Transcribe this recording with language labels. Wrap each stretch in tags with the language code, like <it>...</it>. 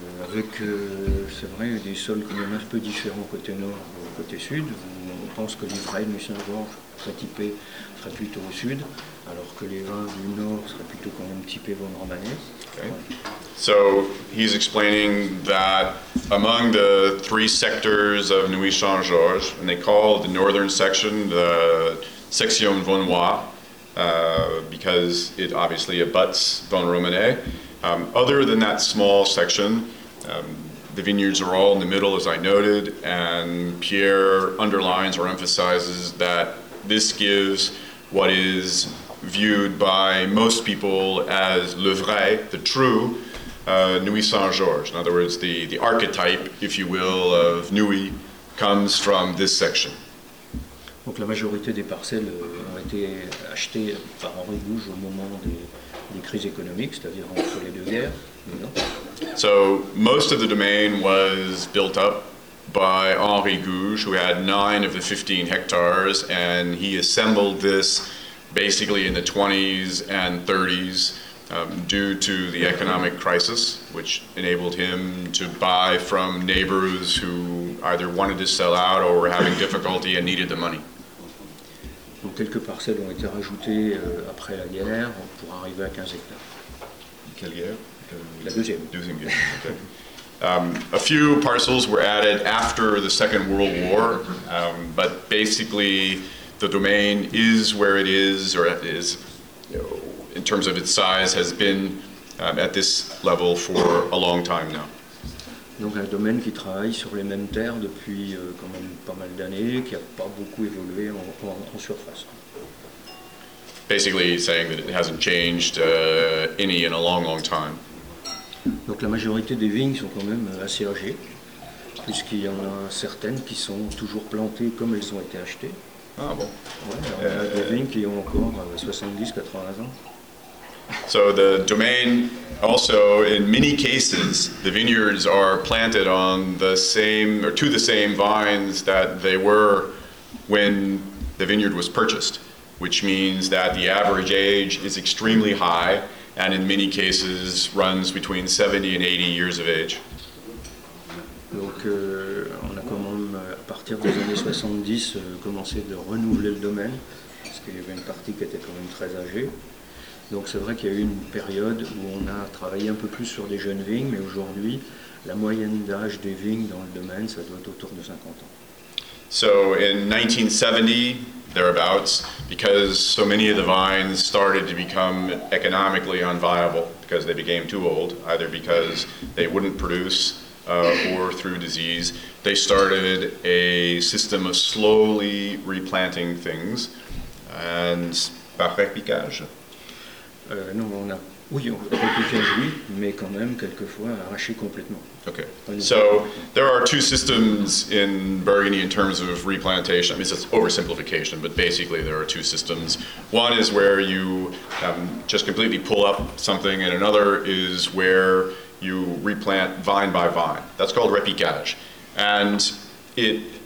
<fr>Avec, c'est vrai, des sols quand même un peu différents côté nord et côté sud. On pense que les vrais du Saint-Georges, très typés, seraient plutôt au sud, alors que les vins du nord seraient plutôt quand même typés vos Normanais.</fr> <en>Okay. So, he's explaining that among the three sectors of Nuits-Saint-Georges, and they call the northern section the section Vaunois, because it obviously abuts Vaux Romanais. Other than that small section, the vineyards are all in the middle, as I noted, and Pierre underlines or emphasizes that this gives what is viewed by most people as</en> <fr>le vrai,</fr> <en>the true, Nuits-Saint-Georges. In other words, the archetype, if you will, of Nuits comes from this section.</en> <fr>Donc la majorité des parcelles ont été achetées par Henri Gouges au moment des crises économiques, c'est-à-dire entre les deux guerres.</fr> <en>So most of the domain was built up by Henri Gouges, who had 9 of the 15 hectares, and he assembled this basically in the 20s and 30s due to the economic crisis, which enabled him to buy from neighbors who either wanted to sell out or were having difficulty and needed the money.</en> <fr>Donc quelques parcelles ont été rajoutées après la guerre pour arriver à 15 hectares. Quelle guerre? La deuxième. Deuxième guerre. Okay.</fr> <en>A few parcels were added after the Second World War, but basically the domain is where it is, or is, in terms of its size, has been at this level for a long time now.</en> <fr>Donc un domaine qui travaille sur les mêmes terres depuis quand même pas mal d'années, qui n'a pas beaucoup évolué en surface.</fr> <en>Basically saying that it hasn't changed any in a long, long time.</en> <fr>Donc la majorité des vignes sont quand même assez âgées, puisqu'il y en a certaines qui sont toujours plantées comme elles ont été achetées. Ah bon. Ouais, alors, il y a des vignes qui ont encore 70-80 ans.</fr> <en>So the domain also, in many cases, the vineyards are planted on the same or to the same vines that they were when the vineyard was purchased, which means that the average age is extremely high. And in many cases, runs between 70 and 80 years of age.</en> <fr>Donc, on a quand même, à partir des années 70, commencé de renouveler le domaine, parce qu'il y avait une partie qui était quand même très âgée. Donc, c'est vrai qu'il y a eu une période où on a travaillé un peu plus sur des jeunes vignes, mais aujourd'hui, la moyenne d'âge des vignes dans le domaine, ça doit être autour de 50 ans.</fr> <en>So, in 1970, thereabouts, because so many of the vines started to become economically unviable because they became too old, either because they wouldn't produce or through disease, they started a system of slowly replanting things.</en> <fr>And par repiquage? Non, on a, oui, on a repiquage, oui, mais quand même quelquefois arraché complètement.</fr> <en>Okay, so there are two systems in Burgundy in terms of replantation. I mean, it's an oversimplification, but basically there are two systems. One is where you just completely pull up something, and another is where you replant vine by vine. That's called repiquage. And it</en>